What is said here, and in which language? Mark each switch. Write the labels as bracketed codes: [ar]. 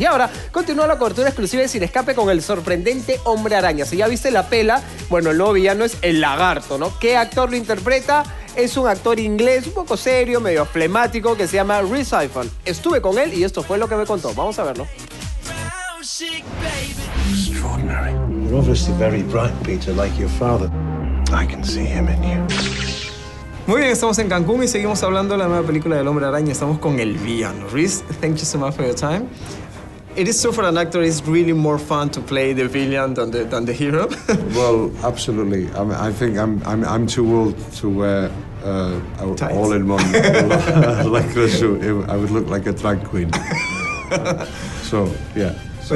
[es] Y ahora continúa la cobertura exclusiva de Cinescape con el sorprendente Hombre Araña. Si ya viste la pela, bueno, el nuevo villano es el lagarto, ¿no? ¿Qué actor lo interpreta? Es un actor inglés, un poco serio, medio flemático, que se llama Rhys Ifans. Estuve con él y esto fue lo que me contó. Vamos a verlo. [en] Extraordinary. You're obviously very bright, Peter, like your father. I can see him in you. [es] Muy bien, estamos en Cancún y seguimos hablando de la nueva película del Hombre Araña. Estamos con el villano. [en] Rhys, thank you so much for your time. It is so for an actor, it's really more fun to play the villain than the hero. Well, absolutely. I think I'm too old to wear all-in-one like the suit. I would look like a drag queen. So, yeah. So.